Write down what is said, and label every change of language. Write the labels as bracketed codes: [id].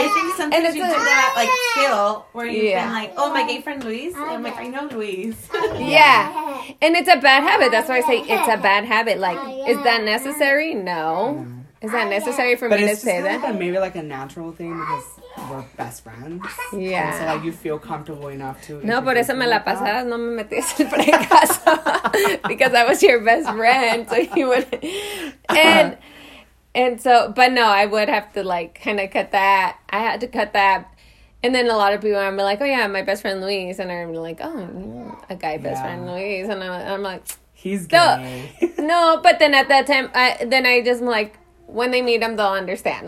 [en] I think sometimes you do that, like, feel where you've been like, oh, my gay friend Luis? And I'm like, I know Luis. Yeah. And it's a bad habit. That's why I say it's a bad habit. Like, is that necessary? No. Is that necessary for but me to say like that? But it's just maybe like a natural thing because we're best friends. Yeah. And so like you feel comfortable enough to... [es] No, por eso me la pasada no me metí siempre en casa. [en] Because I was your best friend. So you would... And so... But no, I would have to like kind of cut that. I had to cut that. And then a lot of people are like, oh yeah, my best friend Luis. And I'm like, oh, a guy best friend Luis. And I'm like... He's gay. No, but then at that time, I just like... When they meet him, they'll understand.